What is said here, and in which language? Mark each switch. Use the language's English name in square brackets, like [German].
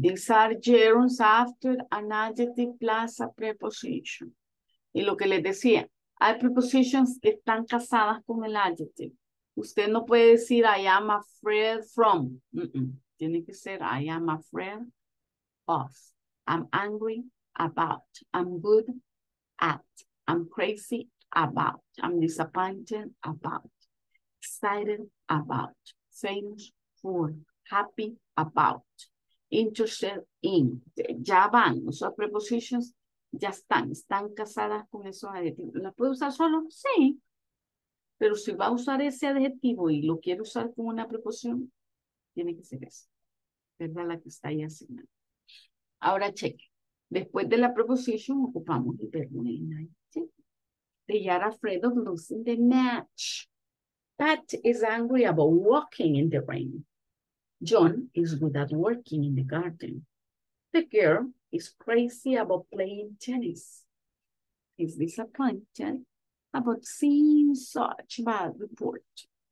[English] These are gerunds after an adjective plus a preposition. [Spanish] Y lo que les decía, hay prepositions que están casadas con el adjective. Usted no puede decir [English] I am afraid from. Mm-mm. [Spanish] Tiene que ser [English] I am afraid of. I'm angry about. I'm good at. I'm crazy about, I'm disappointed about, excited about, famous for, happy about, interested in. [Spanish] Ya van, esas prepositions ya están casadas con esos adjetivos. ¿Las puedo usar solo? Sí. Pero si va a usar ese adjetivo y lo quiere usar con una preposición, tiene que ser esa. ¿Verdad? La que está ahí asignada. Ahora cheque. Después de la preposición, ocupamos el verbo en ahí. [English] They are afraid of losing the match. Pat is angry about walking in the rain. John is good at working in the garden. The girl is crazy about playing tennis. He's disappointed about seeing such a bad report.